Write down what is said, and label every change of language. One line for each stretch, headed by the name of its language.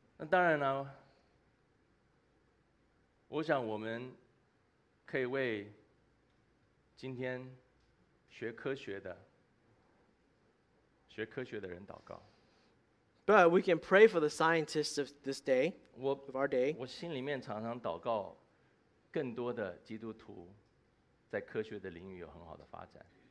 English: Now,
Chinese: 我想我们可以为今天学科学的人祷告。
English: But we can pray for the scientists of this day, of our day.
Chinese: 我心里面常常祷告，更多的基督徒在科学的领域有很好的发展。